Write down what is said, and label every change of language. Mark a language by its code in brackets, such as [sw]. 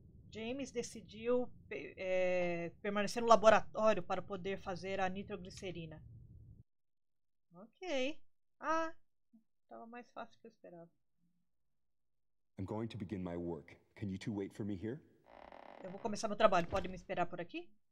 [pt] James decidiu permanecer no laboratório para poder fazer a nitroglicerina. Ok. Ah, estava mais fácil que eu esperava. [en] I'm going to begin my work. Can you two wait for me here? [pt] Eu vou começar meu trabalho. Pode me esperar por aqui?